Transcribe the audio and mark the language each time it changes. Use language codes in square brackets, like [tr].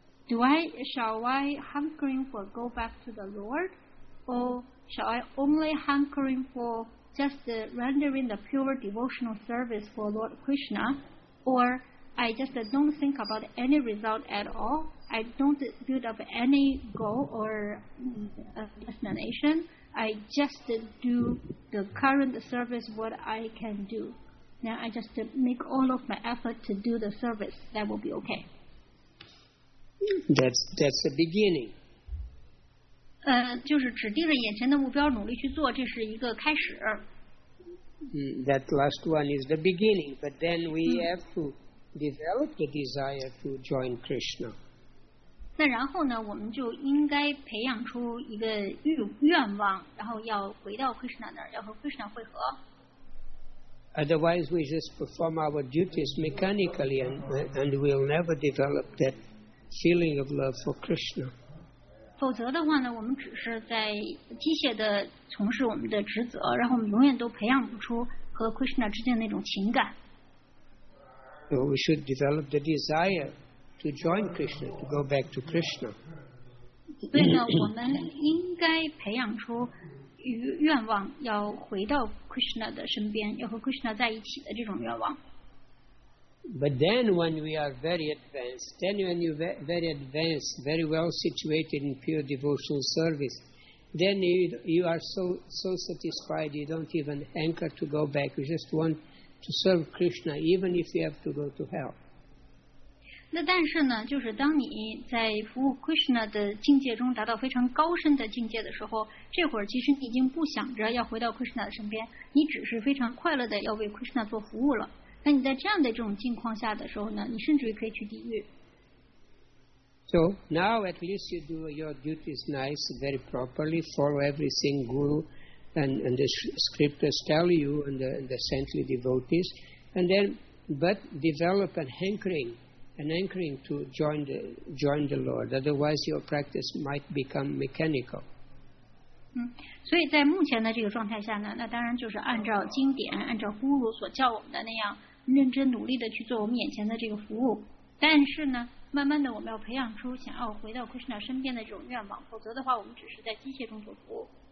[en] Shall I hankering for go back to the Lord, or shall I only hankering forjust rendering the pure devotional service for Lord Krishna, or I just don't think about any result at all, I don't build up any goal or destination, I just do the current service what I can do. Now I just make all of my effort to do the service, that will be okay. That's the beginning. [zh] 就是指定着眼前的目标努力去做，这是一个开始。 [en] That last one is the beginning, but then we have to develop the desire to join Krishna. [zh] 那然后呢，我们就应该培养出一个愿望，然后要回到 Krishna 那儿，要和 Krishna 汇合。 [en] Otherwise, we just perform our duties mechanically, and we'll never develop that feeling of love for Krishna. [zh] 否则的话呢，我们只是在机械的从事我们的职责，然后我们永远都培养不出和 Krishna 之间那种情感。 [en] So we should develop the desire to join Krishna, to go back to Krishna. [zh] 所以呢，我们应该培养出愿望要回到 Krishna 的身边，要和 Krishna 在一起的这种愿望。 [en] But then when we are very advanced, then when you are very advanced, very well situated in pure devotional service, then you are so satisfied you don't even anchor to go back. You just want to serve Krishna even if you have to go to hell. [zh] 那但是呢，就是当你在服务 Krishna 的境界中达到非常高深的境界的时候，这会儿其实你已经不想着要回到 Krishna 的身边，你只是非常快乐的要为 Krishna 做服务了。那你在这样的这种境况下的时候呢，你甚至于可以去地狱。 [en] So now at least you do your duties nice, very properly, follow everything Guru and the scriptures tell you and the saintly devotees, and then but develop an anchoring to join the Lord. Otherwise, your practice might become mechanical. [zh] 所以在目前的这个状态下呢，那当然就是按照经典，按照Guru所教我们的那样。认真努力的去做我们眼前的这个服务，但是呢，慢慢的我们要培养出想要回到 Krishna 身边的这种愿望，否则的话，我们只是在机械中做服务。